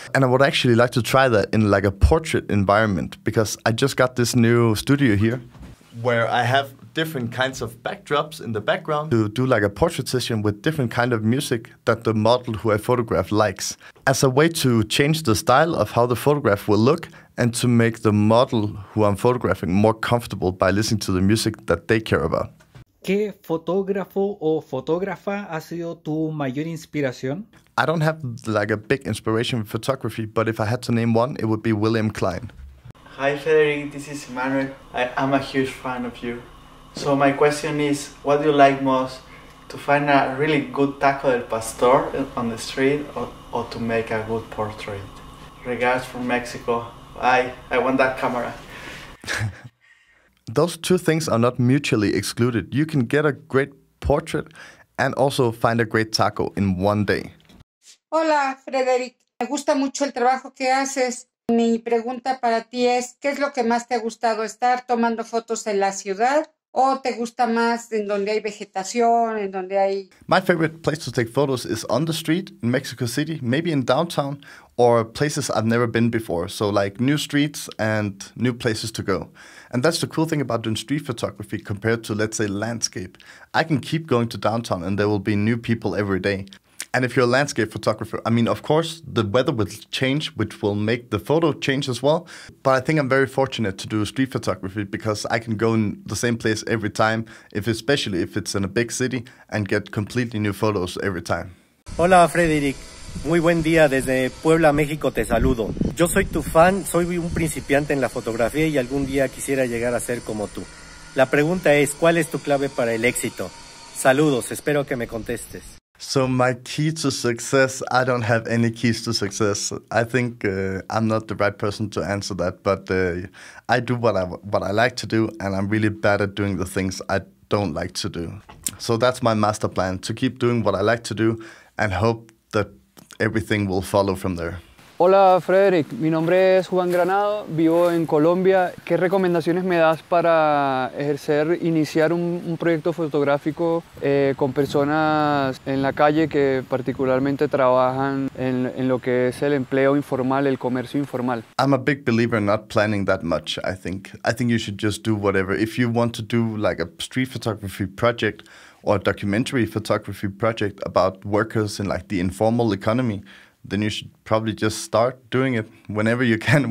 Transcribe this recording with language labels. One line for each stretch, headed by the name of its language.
English: And I would actually like to try that in like a portrait environment, because I just got this new studio here where I have different kinds of backdrops in the background to do like a portrait session with different kind of music that the model who I photograph likes, as a way to change the style of how the photograph will look and to make the model who I'm photographing more comfortable by listening to the music that they care about.
Spanish: ¿Qué fotógrafo o fotógrafa ha sido tu mayor inspiración?
English: I don't have like a big inspiration for photography, but if I had to name one, it would be William Klein. Hi Federic, this is Manuel. I am a huge fan of you. So my question is, what do you like most, to find a really good taco del pastor on the street or to make a good portrait? Regards from Mexico. I want that camera. Those two things are not mutually excluded. You can get a great portrait and also find a great taco in one day.
Spanish: Hola, Frederic. Me gusta mucho el trabajo que haces. Mi pregunta para ti es, ¿qué es lo que más te ha gustado, estar tomando fotos en la ciudad o te gusta más en donde hay vegetación, en donde hay...
English: My favorite place to take photos is on the street in Mexico City, maybe in downtown, or places I've never been before. So like new streets and new places to go. And that's the cool thing about doing street photography compared to, let's say, landscape. I can keep going to downtown and there will be new people every day. And if you're a landscape photographer, I mean, of course, the weather will change, which will make the photo change as well. But I think I'm very fortunate to do street photography because I can go in the same place every time, especially if it's in a big city, and get completely new photos every time.
Spanish: Hola, Frederic. Muy buen día desde Puebla, México, te saludo. Yo soy tu fan, soy un principiante en la fotografía y algún día quisiera llegar a ser como tú. La pregunta es, ¿cuál es tu clave para el éxito? Saludos, espero que me contestes.
English: So my key to success, I don't have any keys to success. I think I'm not the right person to answer that, but I do what I like to do, and I'm really bad at doing the things I don't like to do. So that's my master plan, to keep doing what I like to do and hope that everything will follow from there.
Spanish: Hola, Frederic. Mi nombre es Juan Granado. Vivo en Colombia. ¿Qué recomendaciones me das para iniciar un proyecto fotográfico con personas en la calle que particularmente trabajan en lo que es el empleo informal, el comercio informal?
English: I'm a big believer in not planning that much, I think. I think you should just do whatever. If you want to do like a street photography project or a documentary photography project about workers in like the informal economy, then you should probably just start doing it whenever you can.